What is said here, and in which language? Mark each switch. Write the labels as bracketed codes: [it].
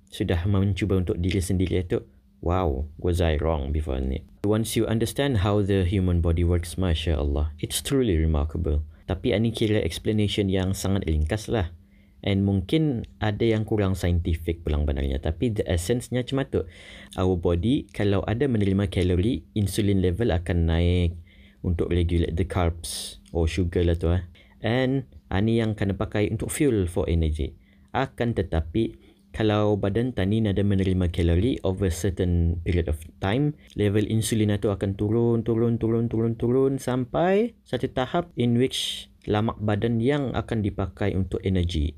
[ms] Sudah mencuba untuk diri sendiri itu. [en] Wow, was I wrong before ni? Once you understand how the human body works, Masya Allah. It's truly remarkable. [ms] Tapi ini kira explanation yang sangat ringkas lah. And mungkin ada yang kurang saintifik pulang benarnya. Tapi the essence-nya cuma tu. [en] Our body, [ms] kalau ada menerima kalori, insulin level akan naik untuk [en] regulate the carbs or sugar [ms] lah tu. And ini yang kena pakai untuk [en] fuel for energy. [ms] Akan tetapi, kalau badan tani ada menerima kalori [en] over certain period of time, [ms] level insulin itu akan turun sampai satu tahap in which lemak badan yang akan dipakai untuk energi.